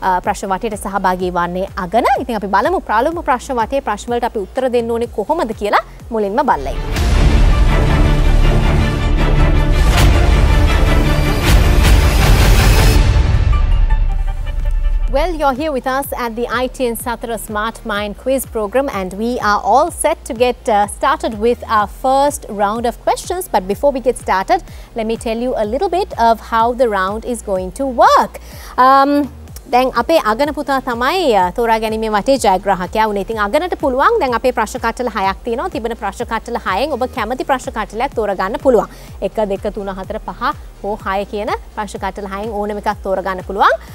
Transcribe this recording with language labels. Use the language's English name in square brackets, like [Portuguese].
[Sinhala] ප්‍රශ්න වටේට සහභාගී වන්නේ අගන ඉතින් අපි බලමු පළමු ප්‍රශ්න වටේ ප්‍රශ්න වලට අපි උත්තර දෙන්න ඕනේ කොහොමද කියලා මුලින්ම බලලා ඉමු [English] Well, you're here with us at the ITN Satra Smart Mind Quiz Program and we are all set to get started with our first round of questions. But before we get started, let me tell you a little bit of how the round is going to work. [Sinhala] දැන් අපේ අගන පුතා තමයි තෝරා ගැනීමේ වටේ ජයග්‍රාහකයා වුණේ. ඉතින් අගනට පුළුවන් දැන් අපේ ප්‍රශ්න කට්ටල 6ක් තියෙනවා. තිබෙන ප්‍රශ්න කට්ටල 6න් ඔබ කැමති ප්‍රශ්න කට්ටලයක් තෝරා ගන්න පුළුවන්. 1 2 3 4 5 හෝ 6 කියන ප්‍රශ්න කට්ටල 6න් ඕනම එකක් තෝරා ගන්න පුළුවන්.